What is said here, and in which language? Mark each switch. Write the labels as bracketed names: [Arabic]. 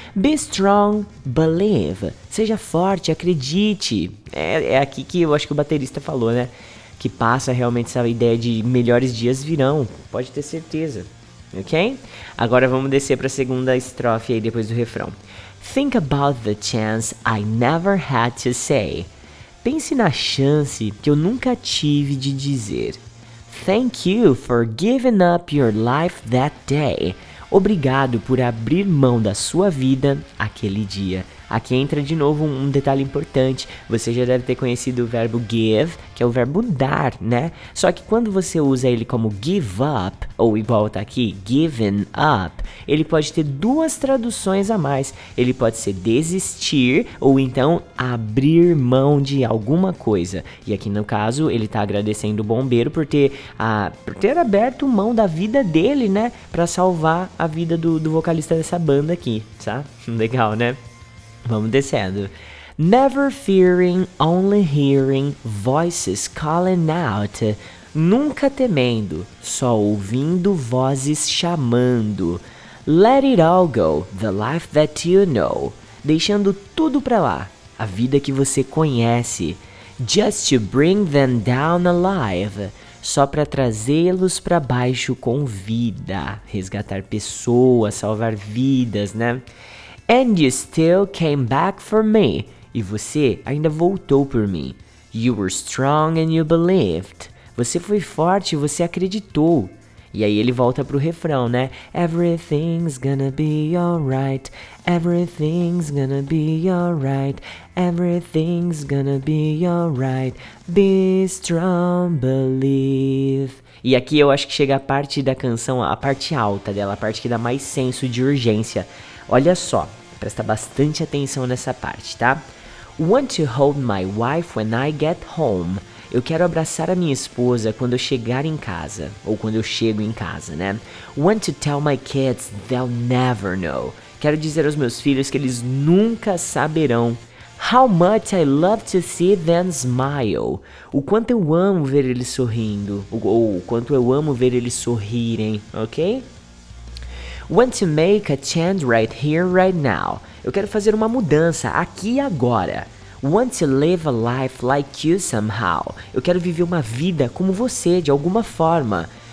[English] Be strong, believe, [Portuguese] seja forte, acredite, é aqui que eu acho que o baterista falou, né? Que passa realmente essa ideia de melhores dias virão, pode ter certeza, ok? Agora vamos descer pra segunda estrofe aí depois do refrão. [English] Think about the chance I never had to say. [Portuguese] Pense na chance que eu nunca tive de dizer. [English] Thank you for giving up your life that day. [Portuguese] Obrigado por abrir mão da sua vida aquele dia. Aqui entra de novo um detalhe importante. Você já deve ter conhecido o verbo give, que é o verbo dar, né? Só que quando você usa ele como give up, ou igual tá aqui, given up, ele pode ter duas traduções a mais. Ele pode ser desistir, ou então abrir mão de alguma coisa. E aqui no caso, ele tá agradecendo o bombeiro por ter aberto mão da vida dele, né? Pra salvar a vida do vocalista dessa banda aqui, tá? Legal, né? Vamos descendo. [English] Never fearing, only hearing voices calling out. [Portuguese] Nunca temendo, só ouvindo vozes chamando. [English] Let it all go, the life that you know. [Portuguese] Deixando tudo pra lá, a vida que você conhece. [English] Just to bring them down alive. [Portuguese] Só pra trazê-los pra baixo com vida. Resgatar pessoas, salvar vidas, né? [English] And you still came back for me. [Portuguese] E você ainda voltou por mim. [English] You were strong and you believed. [Portuguese] Você foi forte e você acreditou. E aí ele volta pro refrão, né? [English] Everything's gonna be alright. Everything's gonna be alright. Everything's gonna be alright. Be strong, believe. [Portuguese] E aqui eu acho que chega a parte da canção, a parte alta dela, a parte que dá mais senso de urgência. Olha só. Presta bastante atenção nessa parte, tá? [English] Want to hold my wife when I get home. [Portuguese] Eu quero abraçar a minha esposa quando eu chegar em casa. Ou quando eu chego em casa, né? [English] Want to tell my kids they'll never know. [Portuguese] Quero dizer aos meus filhos que eles nunca saberão. [English] How much I love to see them smile. [Portuguese] O quanto eu amo ver eles sorrindo. Ou o quanto eu amo ver eles sorrirem, ok? [English] Want to make a change right here, right now. [Portuguese] Eu quero fazer uma mudança aqui e agora. [English] Want to live a life like you somehow. [Portuguese] Eu quero viver uma vida como você, de alguma forma.